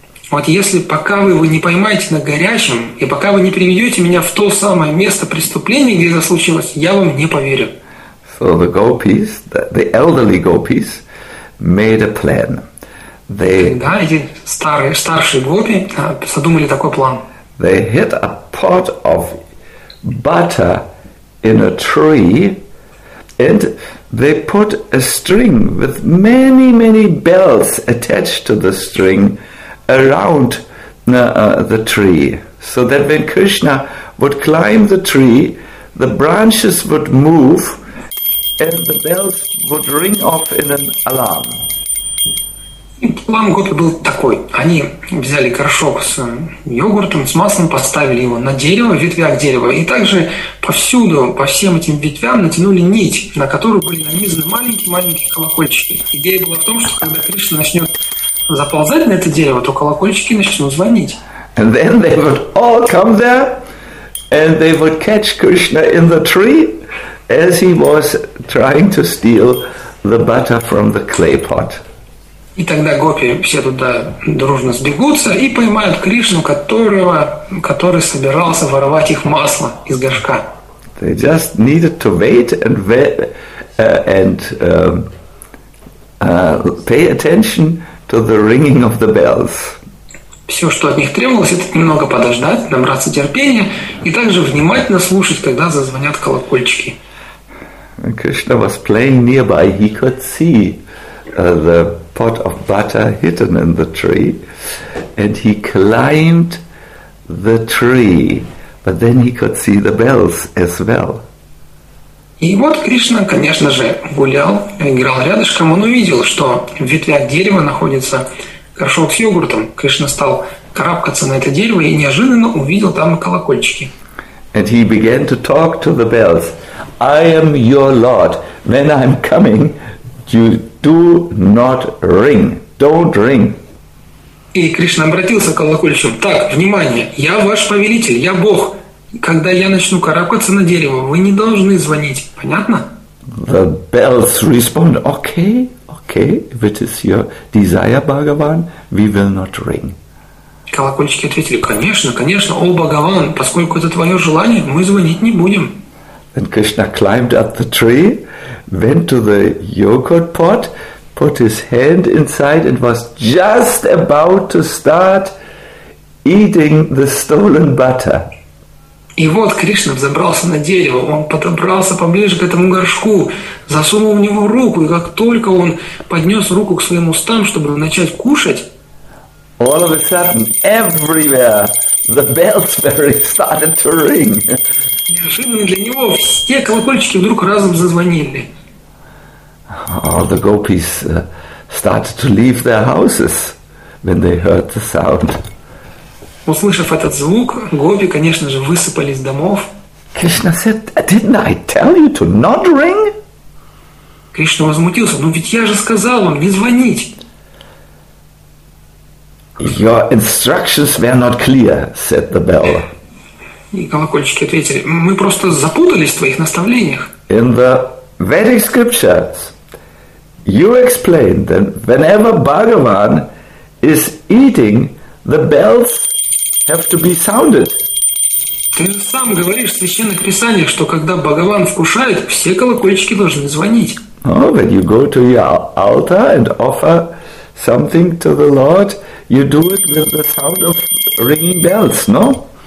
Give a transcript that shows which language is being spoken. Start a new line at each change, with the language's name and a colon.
Russian: Вот если пока вы его не поймаете на горячем, и пока вы не приведете меня в то самое место преступления, где это случилось, я вам не поверю.
English: So the gopis, the elderly gopis, made a plan. They,
Russian: да, эти старшие гопи задумали такой план.
English: They hid a pot of butter in a tree, and they put a string with many, many bells attached to the string around the tree, so that when Krishna would climb the tree, the branches would move and the bells would ring off in an alarm.
Russian: План гопи был такой. Они взяли горшок с йогуртом, с маслом, поставили его на дерево, в ветвях дерева, и также повсюду, по всем этим ветвям натянули нить, на которую были нанизаны маленькие-маленькие колокольчики. Идея была в том, что когда Кришна начнет заползать на это дерево, то колокольчики начнут звонить.
English: And then they would all come there, and they would catch Krishna in the tree, as he was trying to steal the butter from the clay pot.
Russian: И тогда гопи все туда дружно сбегутся и поймают Кришну, который собирался воровать их масло из горшка.
English: They just needed to wait and pay attention to the ringing of the bells.
Russian: Все, что от них требовалось, это немного подождать, набраться терпения и также внимательно слушать, когда зазвонят колокольчики.
English: And Krishna was playing nearby. He could see the pot of butter hidden in the tree, and he climbed the tree, but then he could see the bells as well.
Russian: И вот Кришна, конечно же, гулял, играл рядышком, он увидел, что в ветвях дерева находится горшок с йогуртом. Кришна стал карабкаться на это дерево и неожиданно увидел там колокольчики.
English: And he began to talk to the bells. I am your lord. When I'm coming, you do not ring. Don't ring.
Russian: И Кришна обратился к колокольчикам. Так, внимание, я ваш повелитель, я Бог. Когда я начну карабкаться на дерево, вы не должны звонить. Понятно?
English: The bells respond, OK, OK. okay, if it is your desire, Bhagavan, we will not ring.
Russian: Колокольчики ответили: конечно, конечно, о Бхагаван, поскольку это твое желание, мы звонить не будем.
English: And Krishna climbed up the tree, went to the yogurt pot, put his hand inside, and was just about to start eating the stolen butter.
Russian: И вот Кришна взобрался на дерево, он подобрался поближе к этому горшку, засунул в него руку, и как только он поднес руку к своим устам, чтобы начать кушать,
English: all of a sudden, everywhere, the bells very started to ring.
Russian: Неожиданно для него все колокольчики вдруг разом зазвонили.
English: All the gopis started to leave their houses when they heard the sound.
Russian: Услышав этот звук, гопи, конечно же, высыпали из домов.
English: Krishna said, didn't I tell you to not ring?
Russian: Кришна возмутился, ну ведь я же сказал вам не звонить.
English: Your instructions were not clear, said the bell.
Russian: И колокольчики ответили, мы просто запутались в твоих наставлениях.
English: In the Vedic scriptures, you explained that whenever Bhagavan is eating, the bells have to be sounded.
Russian: Ты сам говоришь в священных писаниях, что когда Бхагаван вкушает, все колокольчики должны звонить.
English: Oh, when you go to your altar and offer something to the Lord, you do it with the sound of ringing bells, no?